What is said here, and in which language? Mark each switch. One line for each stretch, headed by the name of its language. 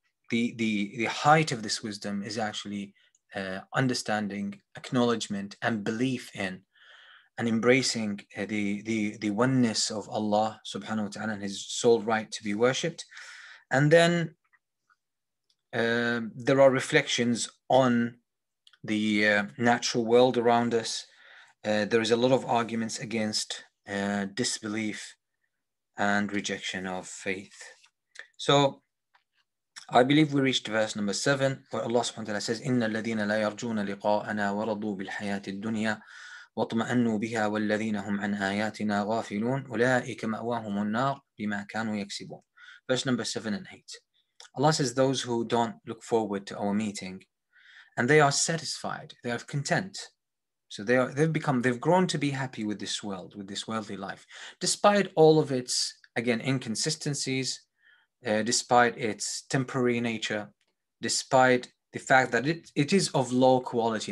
English: The height of this wisdom is actually understanding, acknowledgement, and belief in and embracing the oneness of Allah subhanahu wa ta'ala and His sole right to be worshipped. And then there are reflections on the natural world around us. There is a lot of arguments against disbelief and rejection of faith. So I believe we reached verse number 7, where Allah subhanahu wa ta'ala says,
Arabic: إِنَّ الَّذِينَ لَا يَرْجُونَ لِقَاءَنَا وَرَضُوا بِالْحَيَاةِ الدُّنْيَا وَطْمَأَنُّوا بِهَا وَالَّذِينَ هُمْ عَنْ آيَاتِنَا غَافِلُونَ أُولَٰئِكَ مَأْوَاهُمُ النَّارُ بِمَا كَانُوا يَكْسِبُونَ.
English: Verse number 7 and 8. Allah says, those who don't look forward to our meeting, and they are satisfied, they are content. So they've grown to be happy with this world, with this worldly life, despite all of its, again, inconsistencies, despite its temporary nature, despite the fact that it is of low quality.